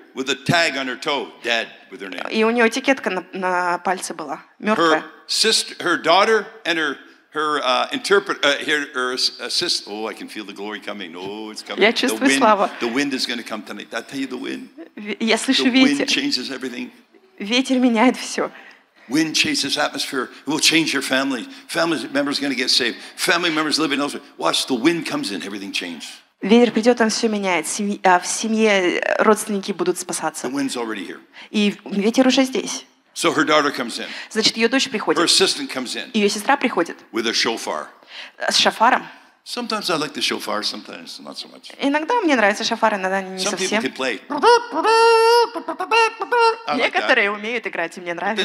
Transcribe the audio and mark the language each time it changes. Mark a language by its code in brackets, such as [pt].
[en] With a tag on her toe, dead, with her name. [ru] И у нее этикетка на пальце была, мертвая. [en] Her sister, her daughter, and her assist. Oh, I can feel the glory coming. Oh, it's coming. [ru] Я чувствую славу. [en] The wind is going to come tonight. I tell you, the wind. [ru] Я слышу ветер. [en] Changes everything. [ru] Ветер меняет все. [en] Wind changes atmosphere. It will change your family. Family members are going to get saved. Family members living elsewhere. Watch, the wind comes in, everything changes. [ru] Ветер придет, он все меняет. В семье родственники будут спасаться. [en] The wind's already here. [ru] И ветер уже здесь. [en] So her daughter comes in. [ru] Значит, ее дочь приходит. [en] Her assistant comes in. [ru] Ее сестра приходит. [en] With a shofar. [ru] С шофаром. [en] Sometimes I like the shofar, sometimes not so much. [ru] Иногда мне нравится шофар, иногда не совсем. [en] Some people can play. [ru] Некоторые умеют играть, и мне нравится.